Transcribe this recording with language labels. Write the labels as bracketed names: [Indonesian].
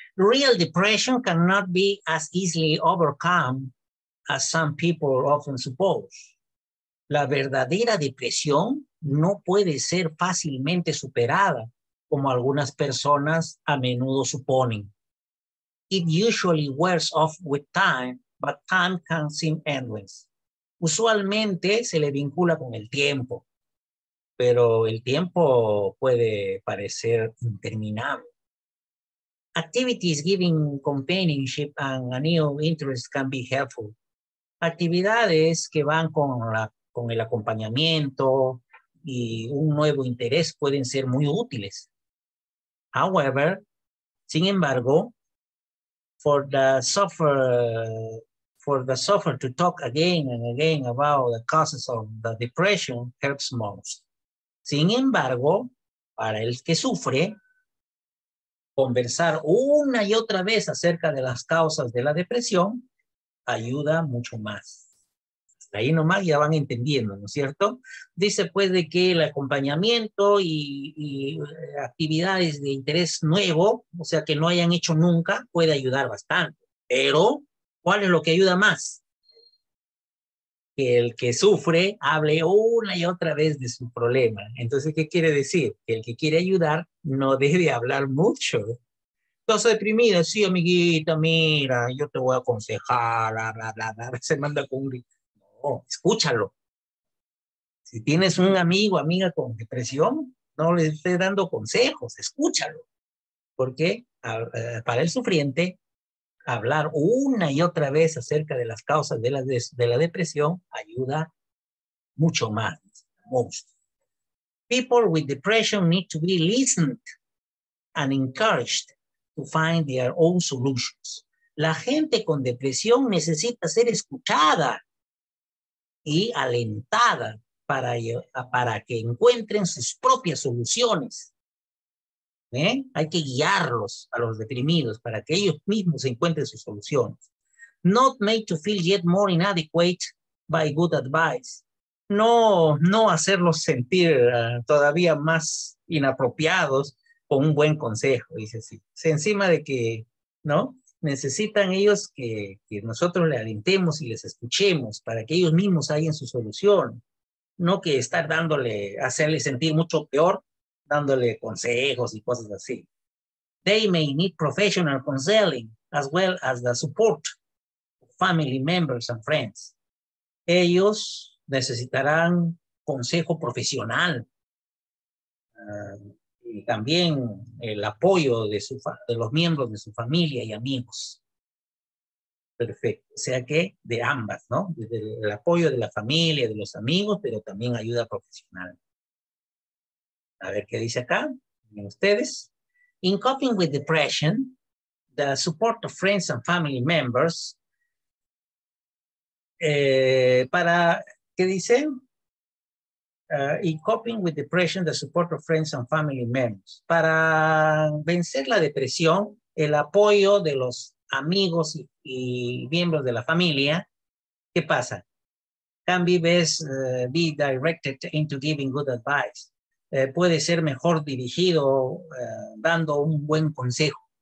[English] Real depression cannot be as easily overcome as some people often suppose. [Spanish] La verdadera depresión no puede ser fácilmente superada, como algunas personas a menudo suponen. [English] It usually wears off with time, but time can seem endless. [Spanish] Usualmente se le vincula con el tiempo, pero el tiempo puede parecer interminable. [English] Activities giving companionship and a new interest can be helpful. [Spanish] Actividades que van con el acompañamiento y un nuevo interés pueden ser muy útiles. [English] However, [Spanish] sin embargo, [English] for the sufferer to talk again and again about the causes of the depression helps most. [Spanish] Sin embargo, para el que sufre, conversar una y otra vez acerca de las causas de la depresión ayuda mucho más. Hasta ahí nomás ya van entendiendo, ¿no es cierto? Dice pues de que el acompañamiento y actividades de interés nuevo, o sea que no hayan hecho nunca, puede ayudar bastante. Pero, ¿cuál es lo que ayuda más? Que el que sufre hable una y otra vez de su problema. Entonces, ¿qué quiere decir? Que el que quiere ayudar no debe hablar mucho. Estás deprimida, sí, amiguita, mira, yo te voy a aconsejar, bla, bla, bla, bla. Se manda con un grito. No, escúchalo. Si tienes un amigo, amiga con depresión, no le estés dando consejos, escúchalo. Porque para el sufriente, hablar una y otra vez acerca de las causas de la depresión ayuda mucho más. [English] Most. People with depression need to be listened and encouraged to find their own solutions. [Spanish] La gente con depresión necesita ser escuchada y alentada para que encuentren sus propias soluciones. ¿Eh? Hay que guiarlos a los deprimidos para que ellos mismos encuentren sus soluciones. [English] Not made to feel yet more inadequate by good advice. [Spanish] No hacerlos sentir todavía más inapropiados con un buen consejo, dice así. Encima de que, ¿no? Necesitan ellos que nosotros les alentemos y les escuchemos para que ellos mismos hallen su solución. No que estar dándole, hacerle sentir mucho peor dándole consejos y cosas así. [English] They may need professional counseling as well as the support of family members and friends. [Spanish] Ellos necesitarán consejo profesional. también el apoyo de, de los miembros de su familia y amigos. Perfecto. O sea que de ambas, ¿no? Desde el apoyo de la familia, de los amigos, pero también ayuda profesional. A ver qué dice acá. Miren ustedes. [English] In coping with depression, the support of friends and family members. [Spanish] Para, ¿qué dice? [English] In coping with depression, the support of friends and family members. [Spanish] Para vencer la depresión, el apoyo de los amigos y miembros de la familia, ¿qué pasa? [English] Can be best be directed into giving good advice. [Spanish] Puede ser mejor dirigido dando un buen consejo.